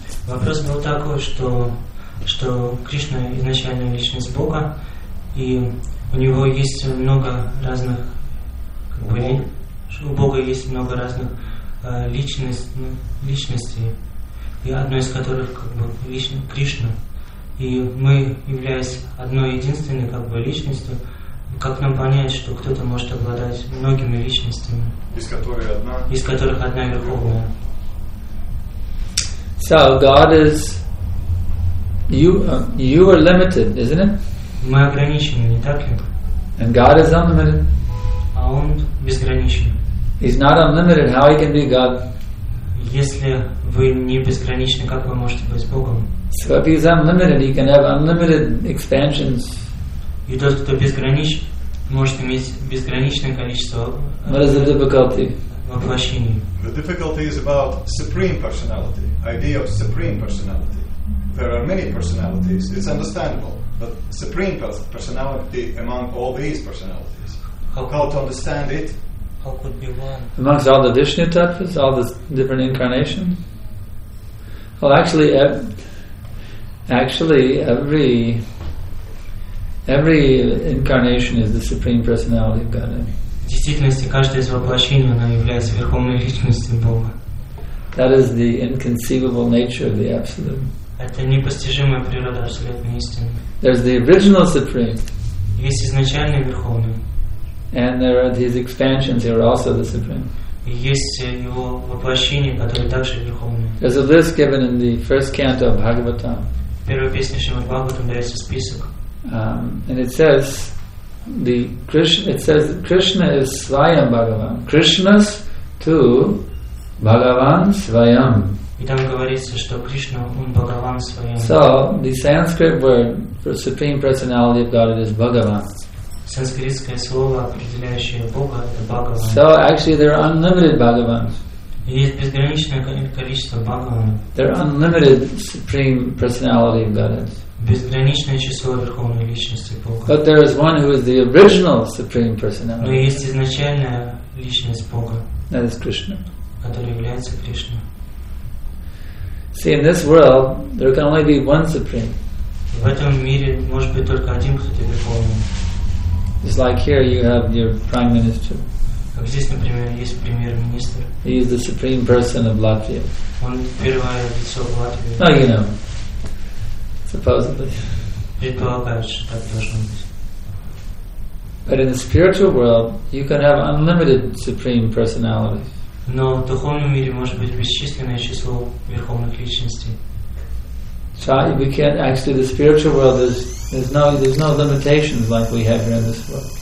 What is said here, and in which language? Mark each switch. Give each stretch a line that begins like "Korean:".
Russian: Вопрос был такой, что Кришна изначальная личность Бога, и у него есть много разных, у Бога есть много разных личностей. И одной из которых как бы лично Кришна. И мы, являясь одной единственной как бы личностью, как нам понять, что кто-то может обладать многими личностями? Из которых одна верховная.
English: So God is you are limited, isn't it?
Russian: Мы ограничены, не так ли?
English: And God is unlimited.
Russian: А он безграничен.
English: He's not unlimited. How he can be God?
Russian: Если вы не безграничны, как вы можете быть Богом?
English: So if he's unlimited, he can have unlimited expansions.
Russian: И тот, кто безграничен, может иметь безграничное количество.
English: What is the difficulty?
Russian: Воплощений.
English: The difficulty is about supreme personality, idea of supreme personality. There are many personalities. It's understandable, but supreme personality among all these personalities. How to understand it? How could be one? Amongst all the Vishnu tattvas, all the different incarnations. Well, actually, every incarnation is the supreme personality of Godhead.
Russian: В действительности каждое из воплощений оно является верховной личностью Бога.
English: That is the inconceivable nature of the absolute.
Russian: Это непостижимая природа абсолютной истины.
English: There's the original supreme.
Russian: Есть изначальный верховный.
English: And there are his expansions. They are also the supreme.
Russian: Есть его воплощение, которое также верховное.
English: There's a list given in the first canto of Bhagavatam.
Russian: Первая песня Шримад-Бхагаватам дается список.
English: And it says the Krishna. It says Krishna is Svayam Bhagavan. Krishna's to Bhagavan Svayam.
Russian: И там говорится, что Кришна, Он Бхагаван Своим.
English: So, the Sanskrit word for Supreme Personality of Godhead is Bhagavan.
Russian: Санскритское слово, определяющее Бога, это Бхагаван.
English: So, actually, there are unlimited Bhagavans.
Russian: И есть безграничное количество Бхагаван.
English: There are unlimited Supreme Personality of Godhead.
Russian: Безграничное число Верховной Личности Бога.
English: But there is one who is the original Supreme Personality.
Russian: Но есть изначальная Личность Бога.
English: That is Krishna.
Russian: Которая является Кришна.
English: See, in this world, there can only be one Supreme.
Russian: В этом мире может быть только один, кто-то Верховный.
English: It's like here, you have your Prime Minister.
Russian: Как здесь, например, есть Премьер-министр.
English: He is the Supreme Person of Latvia.
Russian: Он первое лицо в Латвии.
English: Oh, you know. Supposedly.
Russian: Предполагаешь, что так должно быть.
English: But in the spiritual world, you can have unlimited Supreme Personalities.
Russian: Но в духовном мире может быть бесчисленное число верховных личностей.
English: So we can't actually the spiritual world there's no limitations like we have here in this world.